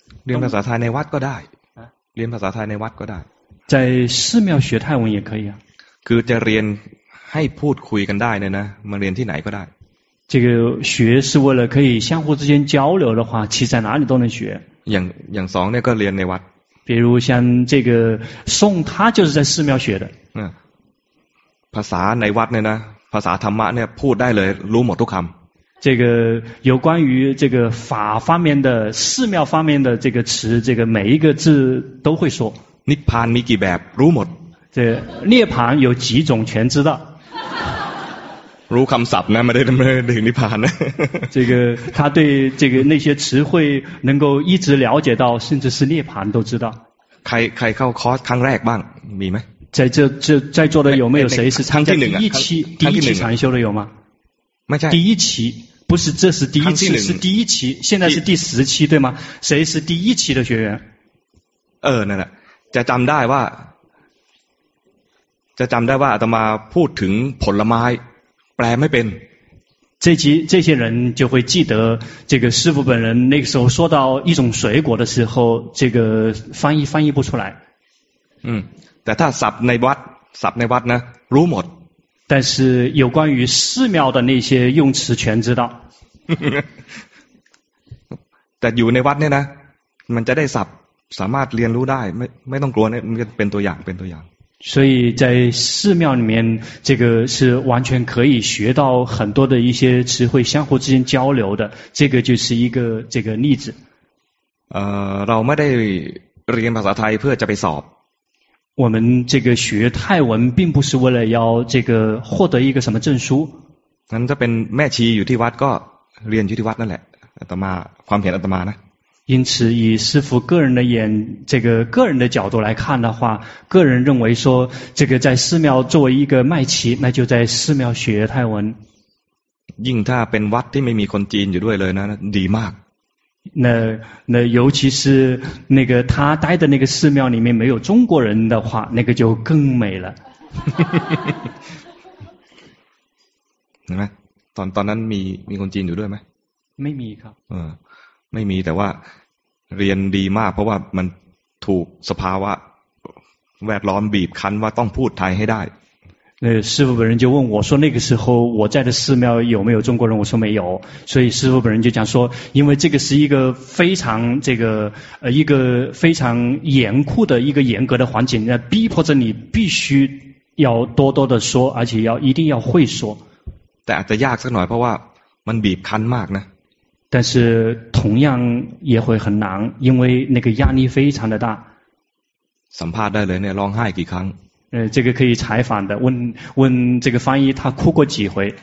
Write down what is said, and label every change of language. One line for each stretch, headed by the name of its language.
Thai: เรียนภาษาไทยในวัดก็ได้เรียนภาษาไทยในวัดก็ได้
Chinese: 在寺庙学泰文也可以啊
Thai: คือจะเรียนให้พูดคุยกันได้เนี่ยนะมาเรียนที่ไหนก็ได้
Chinese: 这个学是为了可以相互之间交流的话其实在哪里都能学
Thai: อย่างสองเนี่ยก็เรียนในวัด
Chinese: 比如像这个宋他就是在寺庙学的
Thai: ภาษาในวัดเนี่ยนะภาษาธรรมะเนี่ยพูดได้เลยรู้หมดทุกคำ
Chinese: 这个有关于这个法方面的寺庙方面的这个词这个每一个字都会说
Thai: นิพพานมีกี่แบบรู้หมด
Chinese: 这涅槃有几种全知道
Thai: รู้คำศัพท์นะไม่ได้ถึงนิพพานนะ
Chinese: 这个他对这个那些词汇能够一直了解到甚至是涅槃都知道
Thai: ใครเข้าคอร์สครั้งแรกบ้างมีไหม
Chinese: 在座的有没有谁是参加第一期禅修的有吗
Thai: ไม่ใช่
Chinese: 第一期不是这是第一次是第一期现在是第十期对吗谁是第一期的学员
Thai: นั่นแหละจะจำได้ว่าอาตมาพูดถึงผลไม้แปลไม่เป็น
Chinese: 这些人就会记得这个师父本人那个时候说到一种水果的时候这个翻译不出来
Thai: แต่ถ้าสับในวัดนะรู้หมด
Chinese: 但是有关于寺庙的那些用词全知道
Thai: แต่อยู่ในวัดเนี่ยนะมันจะได้ศัพท์สามารถเรียนรู้ได้ไม่ต้องกลัวเนี่ยเป็นตัวอย่าง
Chinese: 所以在寺庙里面这个是完全可以学到很多的一些词汇相互之间交流的这个就是一个这个例子
Thai: เราไม่ได้เรียนภาษาไทยเพื่อจะไปสอบ
Chinese: 我们这个学泰文并不是为了要这个获得一个什么证书
Thai: งั้นจะเป็นแม่ชีอยู่ที่วัดก็เรียนอยู่ที่วัดนั่นแหละอาตมาความเห็นอาตมานะ
Chinese: 因此以师父个人的眼这个个人的角度来看的话个人认为说这个在寺庙作为一个麦琪那就在寺庙学泰文硬他
Thai: เป็นวัดที่ไม่มีคนจีนอยู่ด้วยเลยนะดีมาก
Chinese: 那尤其是那个他待的那个寺庙里面没有中国人的话那个就更美了
Thai: เห็นไหมตอนนั้นมีคนจีนอยู่ด้วยไหม ไม่มีครับ ไม่มีแต่ว่าเรียนดีมากเพราะว่ามันถูกสภาวะแวดล้อมบีบคั้นว่าต้องพูดไทยให้ได้
Chinese: 那师父本人就问我说那个时候我在的寺庙有没有中国人我说没有所以师父本人就讲说因为这个是一个非常这个一个非常严酷的一个严格的环境那逼迫着你必须要多多的说而且要一定要会说
Thai: แต่อาจจะยากสักหน่อยเพราะว่ามันบีบคั้นมากนะ
Chinese: 但是同样也会很难因为那个压力非常的大
Thai: สัมภาษณ์ได้เลยเนี่ยร้องไห้กี่ครั้ง
Chinese: 这个可以采访的问这个翻译他哭过几回